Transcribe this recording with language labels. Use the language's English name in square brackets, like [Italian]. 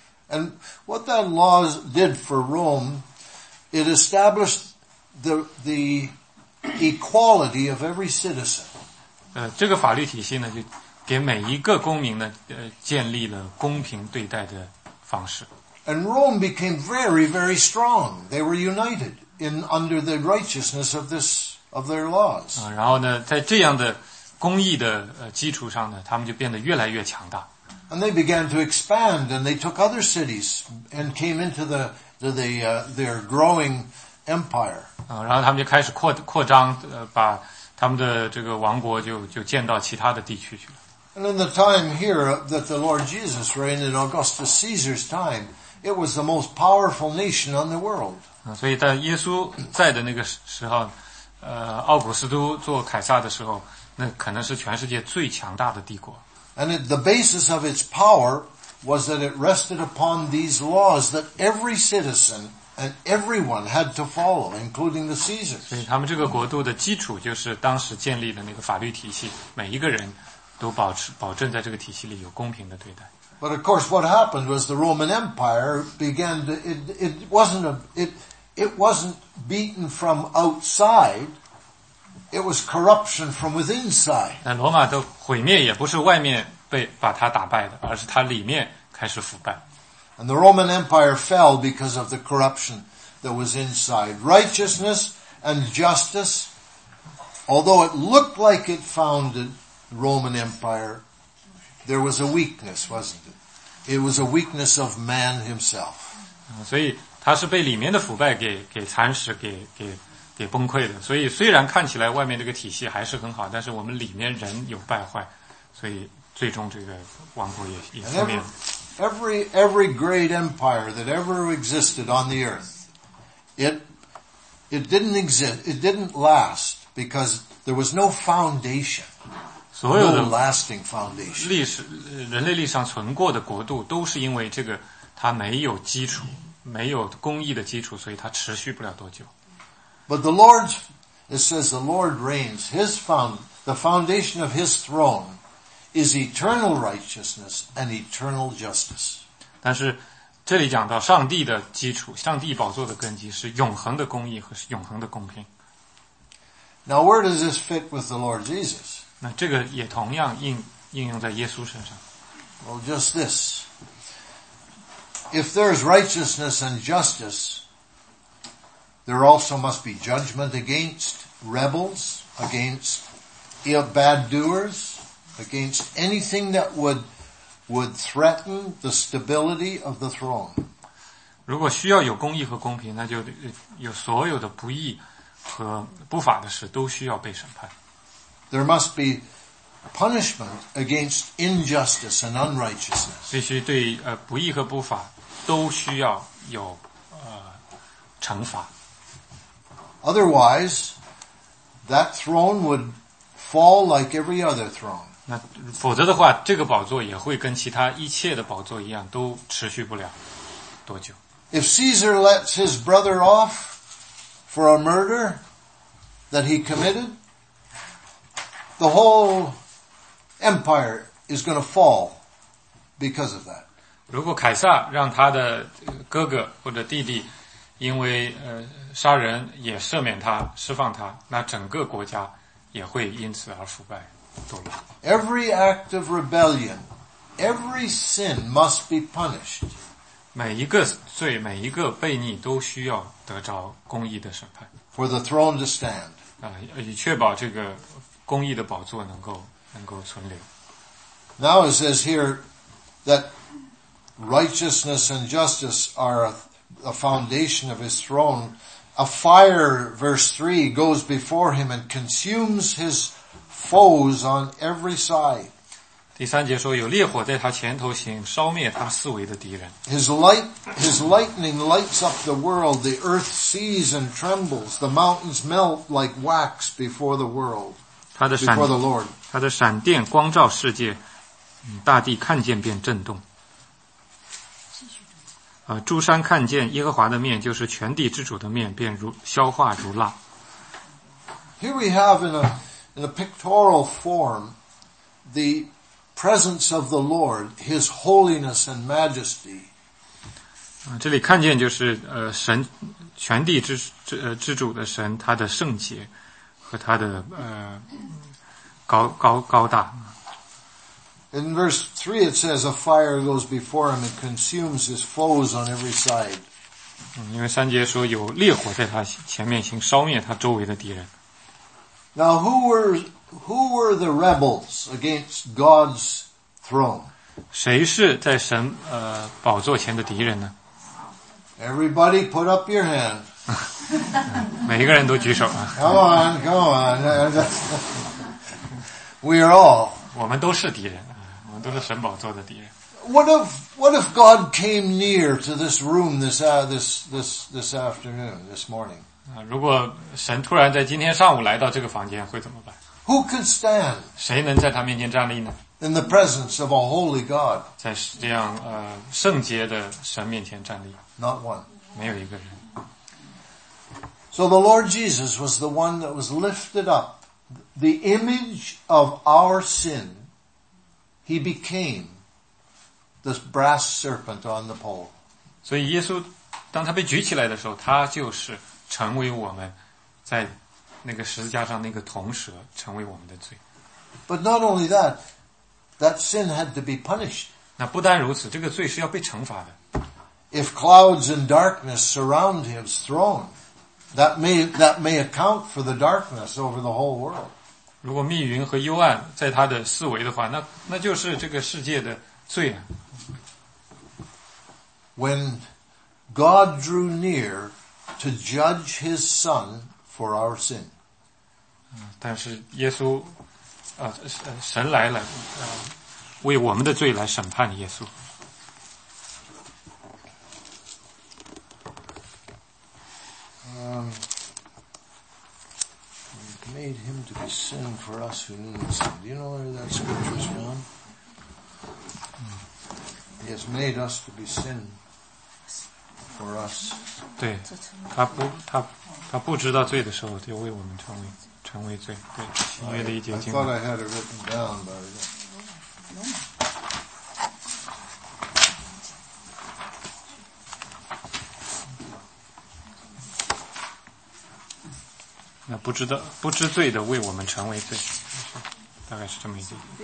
[English] And what that law did for Rome, it established. The equality of every citizen. [Chinese] 这个法律体系呢，就给每一个公民呢，建立了公平对待的方式。 [English] And Rome became very, very strong. They were united in under the righteousness of their laws. [Chinese] 然后呢，在这样的公义的基础上呢，他们就变得越来越强大。 [English] And they began to expand, and they took other cities and came into their growing empire. [Chinese] 然后他们就开始扩张，把他们的这个王国就建到其他的地区去了。 [English] And in the time here that the Lord Jesus reigned in Augustus Caesar's time, it was the most powerful nation on the world. [Chinese] 所以在耶稣在的那个时候，奥古斯都做凯撒的时候，那可能是全世界最强大的帝国。 [English] And the basis of its power was that it rested upon these laws that every citizen. And everyone had to follow, including the Caesars. [Chinese] 所以他们这个国度的基础就是当时建立的那个法律体系，每一个人都保证在这个体系里有公平的对待。 [English] But of course, what happened was the Roman Empire began to it wasn't beaten from outside. It was corruption from within side. [Chinese] 那罗马的毁灭也不是外面把它打败的，而是它里面开始腐败。 [English] And the Roman Empire fell because of the corruption that was inside. Righteousness and justice, although it looked like it founded the Roman Empire, there was a weakness, wasn't it? It was a weakness of man himself. [Chinese] 所以他是被里面的腐败给蚕食给崩溃的。所以虽然看起来外面这个体系还是很好，但是我们里面人有败坏，所以最终这个王国也覆灭了。 [English] Every great empire that ever existed on the earth, it didn't exist, it didn't last because there was no foundation, no lasting foundation. [Chinese] 历史人类历史上存过的国度都是因为这个他没有基础，没有公义的基础，所以他持续不了多久。 [English] But the Lord's, it says the Lord reigns, his found, the foundation of his throne is eternal righteousness and eternal justice. [Chinese] 但是这里讲到上帝的基础，上帝宝座的根基是永恒的公义和是永恒的公平。 [English] Now where does this fit with the Lord Jesus? [Chinese] 那这个也同样应用在耶稣身上。 [English] Well, just this. If there is righteousness and justice, there also must be judgment against rebels, against bad doers, against anything that would threaten the stability of the throne. [Chinese] 如果需要有公义和公平，那就有所有的不义和不法的事都需要被审判。 [English] There must be punishment against injustice and unrighteousness. [Chinese] 必须对不义和不法都需要有惩罚。 [English] Otherwise, that throne would fall like every other throne. [Chinese] 那否则的话，这个宝座也会跟其他一切的宝座一样，都持续不了多久。 [English] If Caesar lets his brother off for a murder that he committed, the whole empire is going to fall because of that. [Chinese] 如果凯撒让他的哥哥或者弟弟因为杀人也赦免他释放他，那整个国家也会因此而腐败堕落。 [English] Every act of rebellion, every sin must be punished. [Chinese] 每一个罪，每一个悖逆都需要得着公义的审判。 [English] For the throne to stand. [Chinese] 以确保这个公义的宝座能够存留。 [English] Now it says here that righteousness and justice are a foundation of his throne. A fire, verse 3, goes before him and consumes his foes on every side. [Chinese] 第三节说有烈火在他前头行，烧灭他四围的敌人。 [English] His lightning lights up the world, the earth sees and trembles, the mountains melt like wax before the world, before the Lord. [Chinese] 他的闪电光照世界，大地看见便震动。诸山看见耶和华的面，就是全地之主的面，便如消化如蜡。 [English] Here we have in a pictorial form the presence of the Lord, His holiness and majesty. [Chinese] 这里看见就是神全地之主的神，他的圣洁和他的高大。 [English] In verse 3 it says a fire goes before him and consumes his foes on every side. [Chinese] 因为三节说有烈火在他前面行，烧灭他周围的敌人。 [English] Now who were the rebels against God's throne? [Chinese] 谁是在神宝座前的敌人呢？ [English] Everybody put up your hand. [Chinese] 每一个人都举手。 [English] Come on. We are all. [Chinese] 我们都是敌人。都是神宝座的敌人。 [English] What if God came near to this room this afternoon, this morning? [Chinese] 如果神突然在今天上午来到这个房间，会怎么办？ [English] Who could stand? [Chinese] 谁能在他面前站立呢？ [English] In the presence of a holy God. [Chinese] 在这样圣洁的神面前站立。 [English] Not one. [Chinese] 没有一个人。 [English] So the Lord Jesus was the one that was lifted up, the image of our sin. He became the brass serpent on the pole. [Chinese] 所以耶稣当他被举起来的时候，他就是成为我们在那个十字架上那个铜蛇，成为我们的罪。 [English] But not only that, that sin had to be punished. [Chinese] 那不单如此，这个罪是要被惩罚的。 [English] If clouds and darkness surround his throne, that may account for the darkness over the whole world. [Chinese] 如果密云和幽暗在他的四围的话，那就是这个世界的罪了。 [English] When God drew near to judge His Son for our sin, [Chinese] 但是耶稣，神来了，为我们的罪来审判耶稣。 [English] Made him to be sin for us who knew no sin. Do you know where that scripture is from? He has made us to be sin for us. [Chinese] 对，他不知道罪的时候，就为我们成为罪。对，新约的一节经文。 [English] I thought I had it written down, but I don't. No. [Chinese] 那不知道不知罪的为我们成为罪，大概是这么一句。